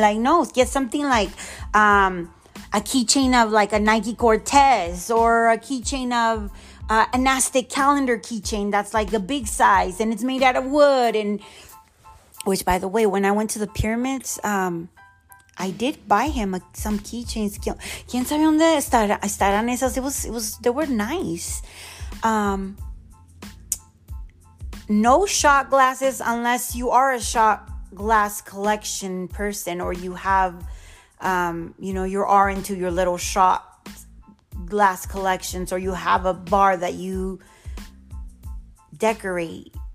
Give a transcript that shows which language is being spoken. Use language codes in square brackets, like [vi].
[en] Like, no, get something like a keychain of like a Nike Cortez or a keychain of a Nastic calendar keychain that's like a big size and it's made out of wood. And which, by the way, when I went to the pyramids, I did buy him some keychains. [es] ¿Quién sabe dónde estarán esas? [en] They were nice. No shot glasses unless you are a shot glass collection person or you have, you know, you are into your little shot glass collections or you have a bar that you decorate.